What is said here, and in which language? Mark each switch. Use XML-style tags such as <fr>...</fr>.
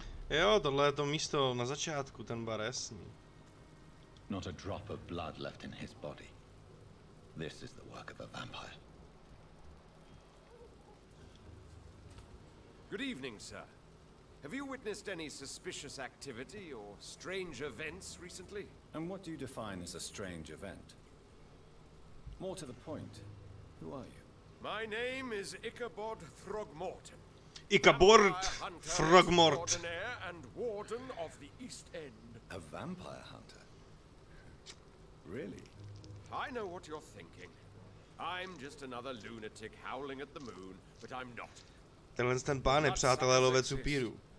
<cs>Jo, tohle je to místo na začátku, ten bar jasný.</cs> <en>Not a drop of blood left in his body. This is the work of a vampire. Good evening, sir. Have you witnessed any suspicious activity or strange events recently? And what do you define as a strange event? More to the point, who are you? My name is Ichabod Throgmorton. Ichabod Throgmort. And warden of the East End. A vampire hunter? Really? I know what you're thinking. I'm just another lunatic howling at the moon, but I'm not.</en> <cs>Tenhle ten pán je přátelé lovec upíru.</cs>